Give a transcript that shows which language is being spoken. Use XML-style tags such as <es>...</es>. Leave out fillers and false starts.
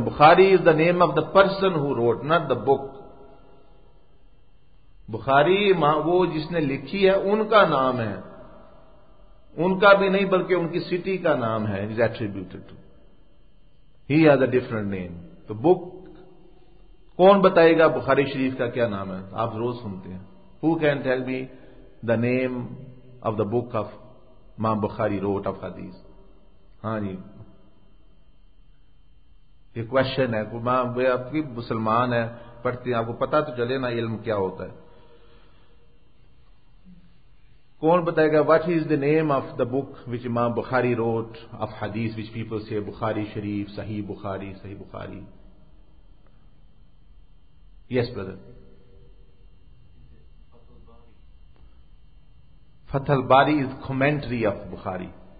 <en>Bukhari is the name of the person who wrote, not the book.</en> <ur>بخاری وہ جس نے لکھی ہے ان کا نام ہے، ان کا بھی نہیں بلکہ ان کی سٹی کا نام ہے.</ur> <en>Is attributed to he has a different name.</en> <ur>تو بک کون بتائے گا بخاری شریف کا کیا نام ہے؟ آپ روز سنتے ہیں.</ur> <en>Who can tell me the name of the book of Imam Bukhari wrote of hadith?</en> <ur>ہاں جی، یہ کوشچن ہے. ماں آپ کی مسلمان ہے، پڑھتے ہیں، آپ کو پتا تو چلے نا علم کیا ہوتا ہے. کون بتائے گا</ur> <en>What is the name of the book which Imam Bukhari wrote of hadith which people سے Bukhari Sharif, Sahih Bukhari, Sahih Bukhari? Yes brother, Fath al-Bari is commentary of Bukhari.</en>